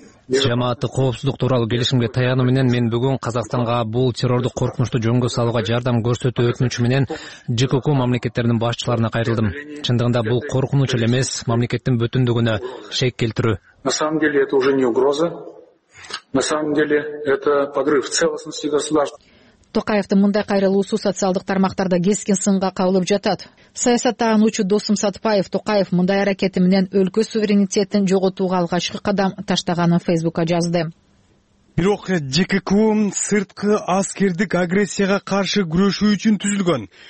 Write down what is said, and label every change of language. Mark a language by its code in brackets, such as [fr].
[ky] Жамааттык коопсуздук тууралуу келишимге таянуу менен мен бүгүн Казакстанга бул террордук коркунучту жөнгө салууга жардам көрсөтүү өтүнүчү менен ЖКК мамлекеттеринин башчыларына кайрылдым. Чындыгында бул коркунуч эле эмес, мамлекеттин бүтүндүгүнө шек келтирүү. [ru] На самом деле это уже не угроза. На самом деле это подрыв целостности государства. [ky] Токаевдин мындай кайрылуусу социалдык тармактарда кескин сынга кабылып жатат. Саясаттануучу Досым Сатпаев Токаев мындай аракети менен өлкө суверенитетин жоготууга алгачкы кадам таштаганын Facebook'а жазды. Бирок ЖКК сырткы аскердик агрессияга каршы күрөшүү үчүн түзүлгөн.